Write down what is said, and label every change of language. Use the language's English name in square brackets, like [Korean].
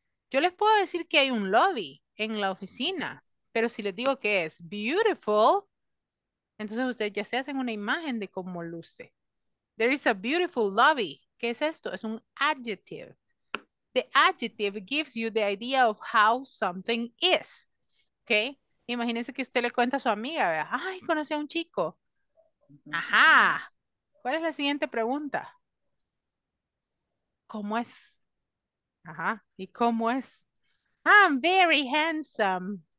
[Spanish] Yo les puedo decir que hay un lobby en la oficina, pero si les digo que es beautiful, entonces ustedes ya se hacen una imagen de cómo luce. [English] There is a beautiful lobby. [Spanish] ¿Qué es esto? Es un [English] adjective. The adjective gives you the idea of how something is. Okay? [Spanish] Imagínense que usted le cuenta a su amiga, ¿verdad? Ay, conocí a un chico. Ajá. ¿Cuál es la siguiente pregunta? ¿Cómo es? Ajá. ¿Y cómo es? [English] I'm very handsome.